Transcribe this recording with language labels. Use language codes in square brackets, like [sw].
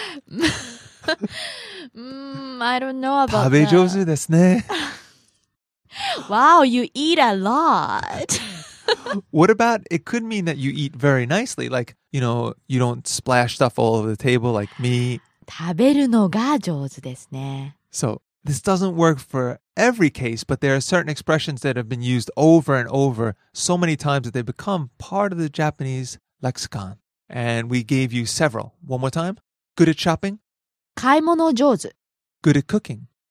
[en] I don't know about [ja] that. 食べ上手ですね。 [en] Wow, you eat a lot. What about, it could mean that you eat very nicely, like, you know, you don't splash stuff all over the table like me. [ja] 食べるのが上手ですね。 [en] So, this doesn't work for every case, but there are certain expressions that have been used over and over so many times that they become part of the Japanese lexicon. And we gave you several. One more time. Good at shopping. [ja] 買い物上手. [en] Good at cooking.